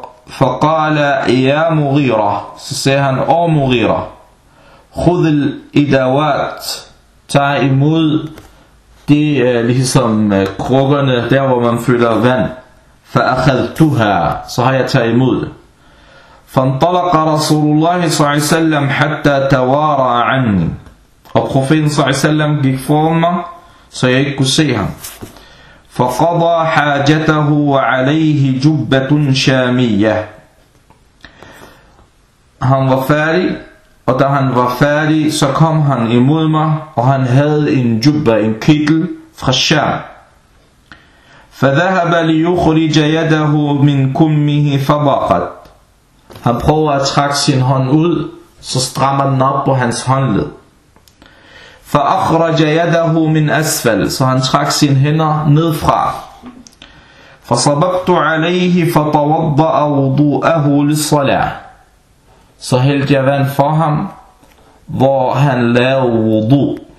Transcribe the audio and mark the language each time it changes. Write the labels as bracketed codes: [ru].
[ar] Faqala, ya Mughira, [da] så siger han, o Mughira, [ar] khud al-idawat. [da] Tag imod det ligesom krukkerne, der hvor man fylder vand. [ar] فأخذتها. [da] Så har jeg taget imod. [ar] فانطلق رسول الله صلى الله عليه وسلم حتى توارى عني. [da] Og profeten صلى الله عليه وسلم gik foran mig, så jeg ikke kunne se ham. [ar] فقضى حاجته وعليه جبة شامية. [da] Han var færdig, og da han var færdig, så kom han imod mig, og han havde en jubba, en kittel fra Sham. [ar] فذهب ليخرج يده من كمه فضاقت. [da] Han prøver at trække sin hånd ud, så strammer den op på hans håndled. [ar] فأخرج يده من أسفل. [da] Så han trak sin hænder ned fra. [ar] فصببت عليه فتوضأ وضوءه للصلاة. [da] Så hældte jeg vand for ham, hvor han lavede wudu.